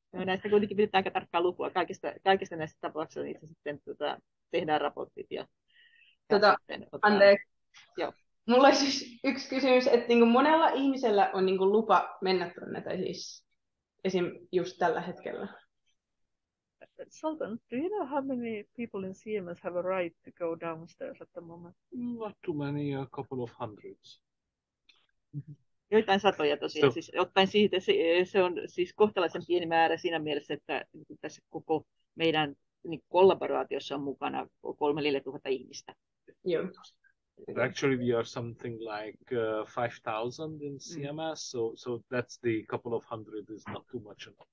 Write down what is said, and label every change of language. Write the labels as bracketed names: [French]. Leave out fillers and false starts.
[Finnish] No, näistä kuitenkin pitää aika tarkkaa lukua. Kaikista näistä tapauksista niitä sitten tehdään raportit. Anteeksi. Mulla on siis yksi kysymys, että niinku monella ihmisellä on niinku lupa mennä tuonne, tai siis esim. Just tällä hetkellä. [English] Sultan, do you know how many people in CMS have a right to go downstairs at the moment? Not too many, a couple of hundreds. [Finnish] Joitain satoja tosiaan. Siis, ottaen siitä, se on siis kohtalaisen pieni määrä siinä mielessä, että tässä koko meidän niin kollaboraatiossa on mukana 3-4 000 ihmistä. [English] Yeah. Actually, we are something like 5,000 in CMS, so that's the couple of hundred is not too much.